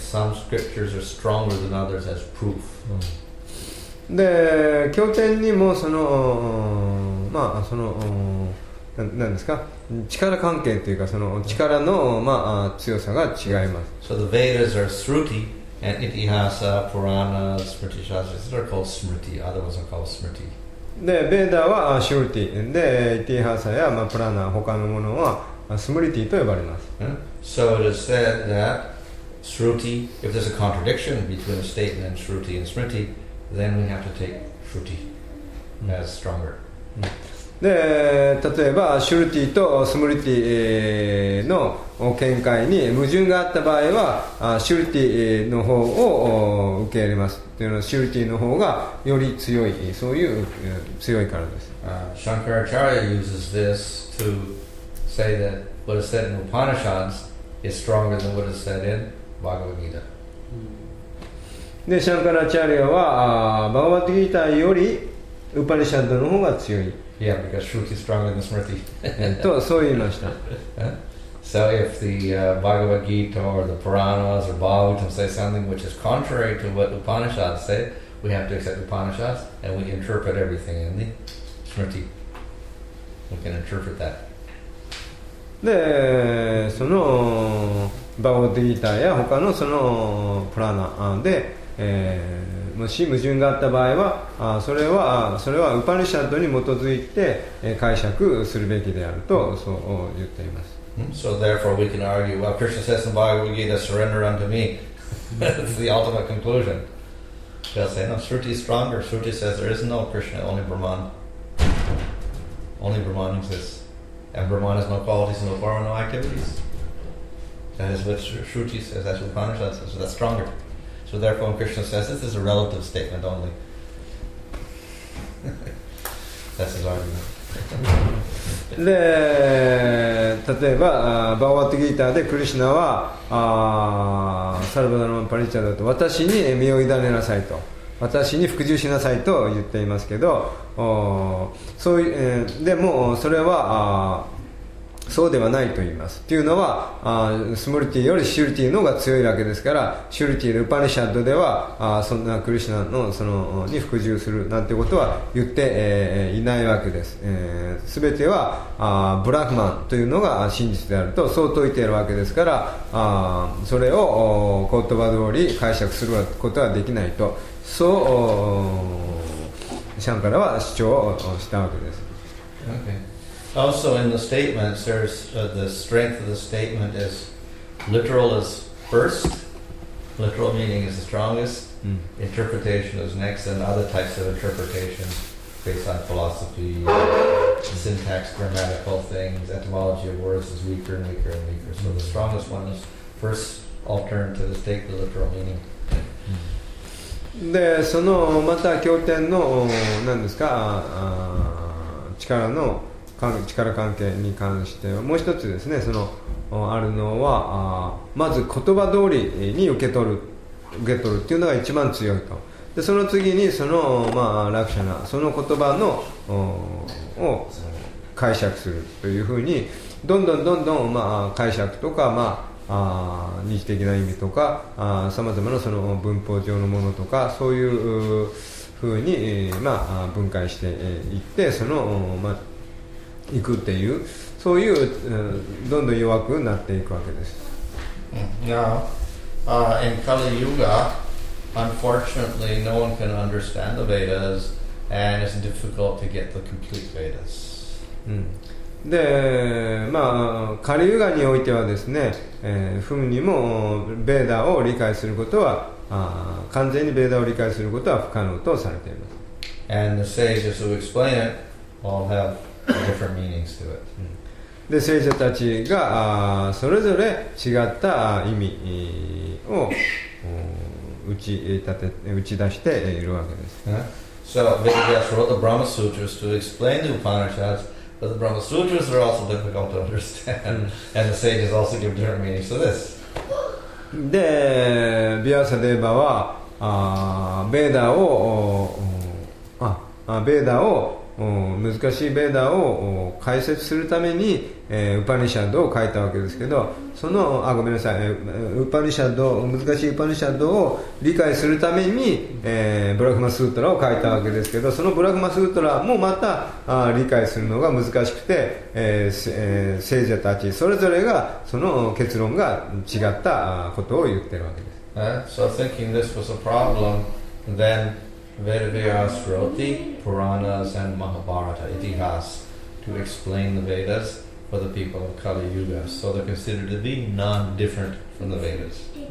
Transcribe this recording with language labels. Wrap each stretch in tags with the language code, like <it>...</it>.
<en>Some scriptures are stronger than others as proof.</en> <ja>で、経典にもその、まあ、その、なんですか、力関係というか、その力の、まあ、強さが違います。</ja> <en>So the Vedas are Sruti, and Itihasa, Purana, Smriti Shastra, these are called Smriti, other ones are called Smriti.</en> <ja>で、ベーダはシュルティで、イティハーサや、まあ、プラナ、他のものはスムリティと呼ばれます。</ja> <en>So it is said that Shruti, if there's a contradiction between a statement and Shruti and Smriti, then we have to take Shruti as stronger.</en> <ja>で、例えばシュルティとスムリティの見解に矛盾があった場合は、シュルティの方を受け入れます。シュルティの方がより強い、そういう強いからです。</ja> <en>Shankaracharya uses this to say that what is said in Upanishads is stronger than what is said in Bhagavad Gita.</en> <ja>で、Shankaracharya は、Bhagavad Gita よりウパニシャッドの方が強い。</ja> <en>Yeah, because Shruti is stronger than Smriti.</en> <ja>と、そう言いました。</ja> <en>So if the Bhagavad Gita or the Puranas or Bhagavatam say something which is contrary to what Upanishads say, we have to accept Upanishads and we interpret everything in the Smriti. We can interpret that.</en> <ja>でそのバゴディーターや他のそのプラナで、もし矛盾があった場合はそれはウパニシャッドに基づいて解釈するべきであるとそう言っています。</ja> <en>So therefore we can argue, well, Krishna says in Bhagavad Gita, surrender unto me. That's the ultimate conclusion. They'll say, no, Shruti is stronger. Shruti says there is no Krishna, only Brahman. Only Brahman exists. And Brahman has no qualities, no form, no activities. That is what Shruti says, that's what Upanishad says, so that's stronger. So therefore when Krishna says this is a relative statement only. That's his argument.</en> <ja>で例えばバガヴァッド・ギーターでクリシュナはサルバダラマ・パリチャドと私に身を委ねなさいと私に服従しなさいと言っていますけどそういでもそれはそうではないと言いますというのはスムルティよりシュルティの方が強いわけですからシュルティ・ルパニシャッドではそんなクリシュナのそのに服従するなんてことは言って、いないわけです。全てはブラフマンというのが真実であるとそう説いているわけですからそれを言葉通り解釈することはできないとそうシャンカラは主張をしたわけです。</ja> <en>OKAlso in the statements, there's the strength of the statement is literal is first. Literal meaning is the strongest. Mm. Interpretation is next, and other types of interpretation based on philosophy, syntax, grammatical things, etymology of words is weaker and weaker and weaker. So the strongest one is first alternative is take the literal meaning. Mm.</en> <ja>で、そのまた経典の何ですか、力の力関係に関してはもう一つですねそのあるのはまず言葉通りに受け取るっていうのが一番強いとでその次にその、まあ、ラクシャナその言葉のを解釈するというふうにどんどんどんどん、まあ、解釈とか、まあ、日的な意味とかさまざまなその文法上のものとかそういうふうに、まあ、分解していってそのまあ行くっていう、そういう、どんどん弱くなっていくわけです。</ja> <en>Now, in Kali Yuga, unfortunately, no one can understand the Vedas, and it's difficult to get the complete Vedas.</en> <ja>で、まあ、カリユガにおいてはですね、フムにもベーダを理解することは、完全にベーダを理解することは不可能とされています。</ja> <en>And the sages who explain it all have different meanings to it.</en> <ja>で、聖者たちがそれぞれ違った意味を打ち出しているわけです。</ja> <en>So, Vedavyasa wrote the Brahma Sutras to explain the Upanishads, but the Brahma Sutras are also difficult to understand, and the sages also give different meanings to this.</en> <ja>で、ビアサデーバは、ベーダを、ベーダを難しいベーダーを解説するために、ウパニシャッドを書いたわけですけどそのあごめんなさい、ウパニシャッド難しいウパニシャッドを理解するために、ブラフマスートラを書いたわけですけどそのブラフマスートラもまた理解するのが難しくて、聖者たちそれぞれがその結論が違ったことを言ってるわけです。</ja> <en>So thinking this was a problem thenVedavyas wrote the Puranas and Mahabharata, Itihas, to explain the Vedas for the people of Kali Yuga. So they're considered to be non-different from the Vedas.</en>